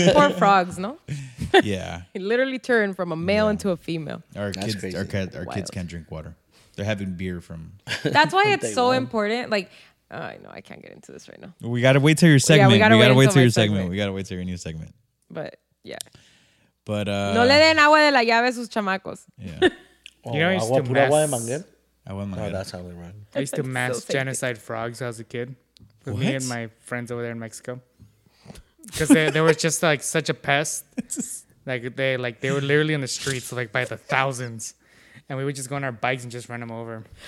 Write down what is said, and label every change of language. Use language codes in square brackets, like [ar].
[en] Poor frogs, no? Yeah. He literally turned from a male into a female. Our kids can't drink water. They're having beer from... That's why it's so important. Like, I know I can't get into this right now. We got to wait till your segment. We got to wait till your new segment. But, yeah. But, [es] No le den agua de la llave a sus chamacos. [en] Yeah. You know, I used to [es] agua de manguer? Agua de manguer. [en] Oh, that's how we run. I used to mass genocide frogs as a kid. With me and my friends over there in Mexico. because there was just like such a pest. They were literally in the streets like by the thousands, and we would just go on our bikes and just run them over.